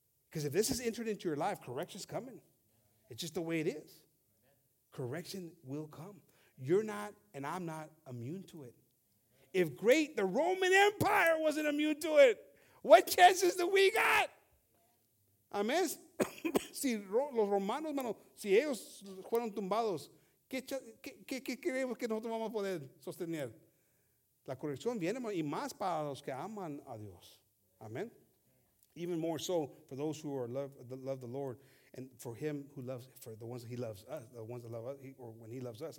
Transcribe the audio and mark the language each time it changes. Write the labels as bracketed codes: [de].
[en] Because if this is entered into your life, correction's coming. It's just the way it is. Correction will come. You're not, and I'm not, immune to it. If great, the Roman Empire wasn't immune to it, what chances do we got? [es] Amén. Si los romanos, hermano, si ellos fueron tumbados, ¿qué creemos que nosotros vamos a poder sostener? La corrección viene, hermano, y más para los que aman a Dios. Amén. [en] Even more so for those who are love the Lord. And for him who loves, for the ones that he loves us, the ones that love us, or when he loves us.